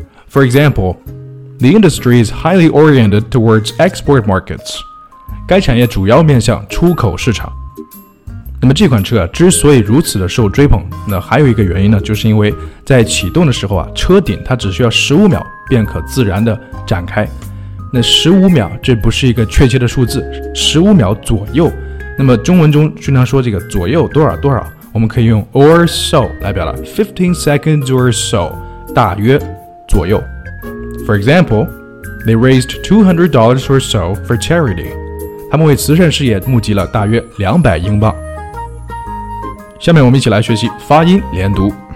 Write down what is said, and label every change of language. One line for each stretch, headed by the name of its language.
English: For example,The industry is highly oriented towards export markets.
Chinese: 该产业主要面向出口市场。那么这款车啊，之所以如此的受追捧，那还有一个原因呢，就是因为在启动的时候啊，车顶它只需要15秒便可自然的展开。那15秒这不是一个确切的数字，15秒左右。那么中文中经常说这个左右多少多少，我们可以用 or so 来表达 ,
English: 15 seconds or so,
Chinese: 大约左右。
English: For example, they raised $200 or so for charity.
Chinese: 他们为慈善事业募集了大约200英镑。下面我们一起来学习发音连读。